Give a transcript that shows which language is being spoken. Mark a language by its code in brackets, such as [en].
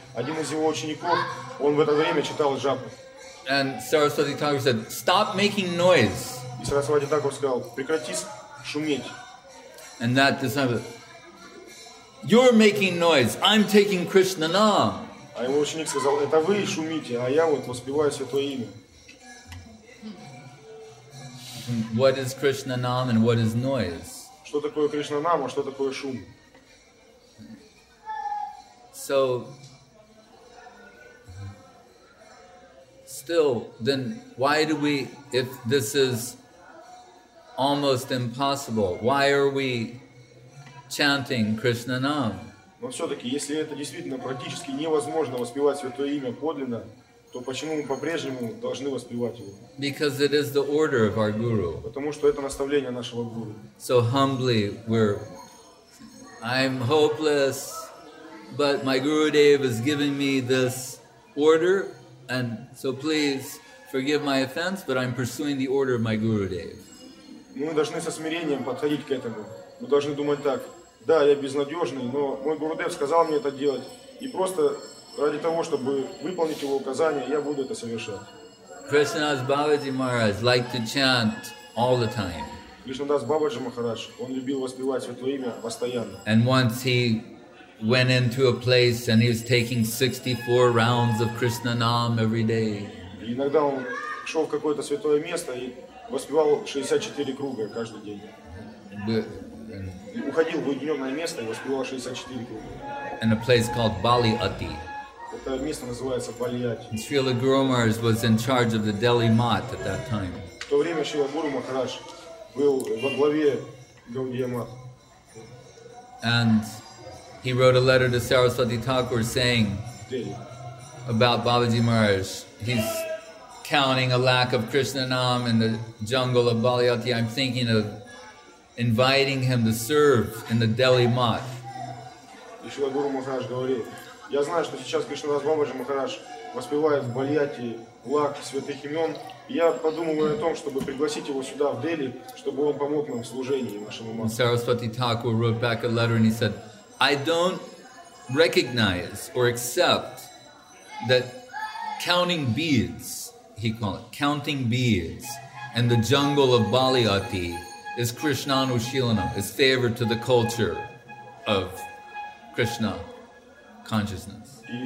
[ru] Один из его учеников, он в это время читал джапу. [en] And Saraswati Thakur said, stop making noise. [ru] И Сарасвати Такур сказал, прекрати шуметь. [en] And that disciple, you're making noise, I'm taking Krishna Nam. [ru] А его ученик сказал, это вы шумите, а я вот воспеваю Святое Имя. [en] What is Krishna Nam and what is noise? [ru] Что такое Кришна Нама, что такое шум? [en] So, still, then, why do we, if this is almost impossible, why are we chanting Krishna Nam? [ru] Но все-таки, если это действительно практически невозможно воспевать Святое Имя подлинно, то почему мы по-прежнему должны воспевать его? [en] Because it is the order of our guru. [ru] Потому что это наставление нашего гуру. [en] So humbly we're, I'm hopeless, but my Gurudev is giving me this order, and so please forgive my offense, but I'm pursuing the order of my Gurudev. [ru] Мы должны со смирением подходить к этому. Мы должны думать так: да, я безнадежный, но мой Гурудев сказал мне это делать, и просто ради того, чтобы выполнить его указания, я буду это совершать. [en] Кришнадас Бабаджи Махарадж liked to chant all the time. [ru] Кришнадас Бабаджи Махарадж, он любил воспевать Святое Имя постоянно. [en] And once he went into a place and he was taking 64 rounds of Krishna Nam every day. [ru] И иногда он шел в какое-то святое место и воспевал 64 круга каждый день. И уходил в уединенное место и воспевал 64 круга. [en] And a place called Bali Ati. [ru] Это место называется Бальяти. [en] Srila Guru Maharaj was in charge of the Delhi Mat at that time. [ru] В то время Srila Guru Maharaj был во главе Gaudiya Math. [en] And he wrote a letter to Saraswati Thakur saying about Babaji Maharaj. He's counting a lack of Krishna Nam in the jungle of Bali Ati. I'm thinking of inviting him to serve in the Delhi Mat. [ru] И Шрила Гуру Махарадж говорит, я знаю, что сейчас Кришнадас Бабаджи Махарадж воспевает в Бальяти лак святых имен. Я подумываю о том, чтобы пригласить его сюда, в Дели, чтобы он помог нам в служении нашему мату. [en] Saraswati Thakur wrote back a letter and he said, I don't recognize or accept that counting beads, he called it, counting beads in the jungle of Bali Ati is Krishna Anushilanam, is favor to the culture of Krishna consciousness.